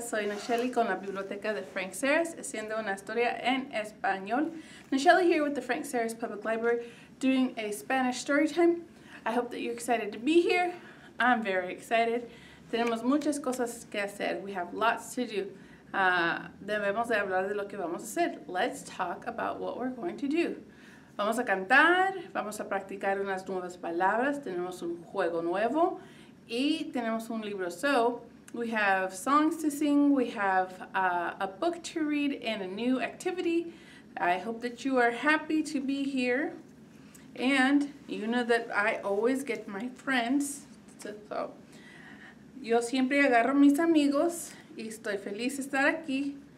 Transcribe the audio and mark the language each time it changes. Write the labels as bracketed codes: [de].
[es] Soy Nacheli con la biblioteca de Frank Serres, haciendo una historia en español. [en] Nacheli here with the Frank Serres Public Library doing a Spanish story time. I hope that you're excited to be here. I'm very excited. [es] Tenemos muchas cosas que hacer. [en] We have lots to do. [es] Debemos de hablar de lo que vamos a hacer. [en] Let's talk about what we're going to do. [es] Vamos a cantar, vamos a practicar unas nuevas palabras, tenemos un juego nuevo y tenemos un libro. [en] So, we have songs to sing, we have a book to read and a new activity. I hope that you are happy to be here. And you know that I always get my friends. [es] So, yo siempre agarro mis amigos y estoy feliz de estar aquí.